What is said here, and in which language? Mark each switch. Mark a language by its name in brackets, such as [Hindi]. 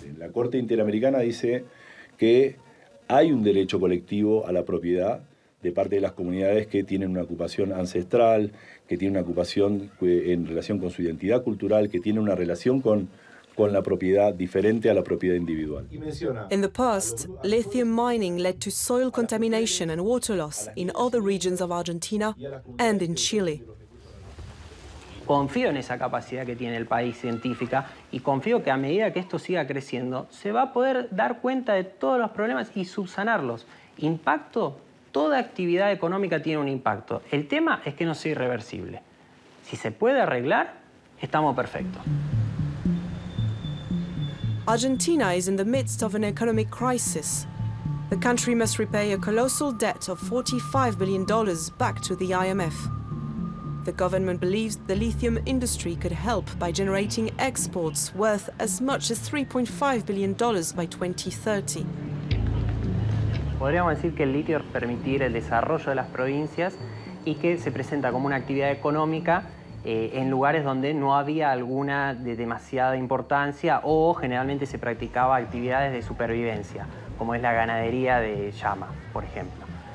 [Spanish] La Corte Interamericana dice que hay un derecho colectivo a la propiedad de parte de las comunidades que tienen una ocupación ancestral, que tienen una ocupación en relación con su identidad cultural, que tienen una relación con la propiedad diferente a la propiedad individual. [English] In the past, lithium mining led to soil contamination and water loss in other regions of Argentina and in Chile. [Spanish] Confío en esa capacidad que tiene el país científica y confío que a medida que esto siga creciendo se va a poder dar cuenta de todos los problemas y subsanarlos. Impacto, toda actividad económica tiene un impacto. El tema es que no sea irreversible. Si se puede arreglar, estamos perfectos. [English] Argentina is in the midst of an economic crisis. The country must repay a colossal debt of $45 billion back to the IMF. The government believes the lithium industry could help by generating exports worth as much as $3.5 billion by 2030. [Spanish] Podríamos decir que el litio permitirá el desarrollo de las provincias y que se presenta como una actividad económica en lugares donde no había alguna de demasiada importancia o generalmente se practicaba actividades de supervivencia, como es la ganadería de llama, por ejemplo.